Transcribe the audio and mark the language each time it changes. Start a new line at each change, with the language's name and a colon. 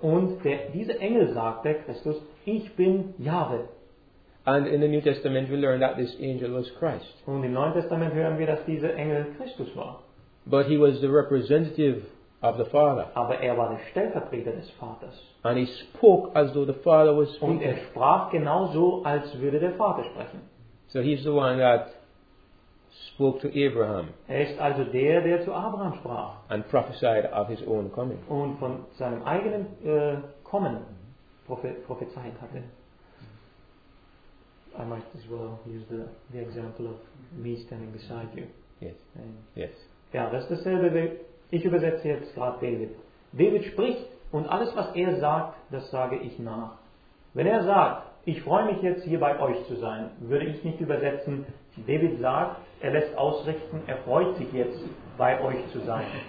German: Und dieser Engel sagte, Christus, ich bin Jahwe.
English: And in the New Testament we learn that this angel was Christ.
German: Und im Neuen Testament hören wir, dass dieser Engel Christus war.
English: But he was the representative of the Father.
German: Aber er war der Stellvertreter des Vaters.
English: And he spoke as though the Father was speaking.
German: Und er sprach genauso, als würde der Vater sprechen.
English: So he's the one that spoke to Abraham.
German: Er ist also der zu Abraham sprach.
English: And prophesied of his own coming.
German: Und von seinem eigenen Kommen. Prophezeit hatte.
English: I might as well use the example of me standing beside you. Yes. Yes.
German: Ja, das ist dasselbe. Ich übersetze jetzt gerade David. David spricht und alles, was er sagt, das sage ich nach. Wenn er sagt, ich freue mich jetzt hier bei euch zu sein, würde ich nicht übersetzen, David sagt, er lässt ausrichten, er freut sich jetzt bei euch zu sein.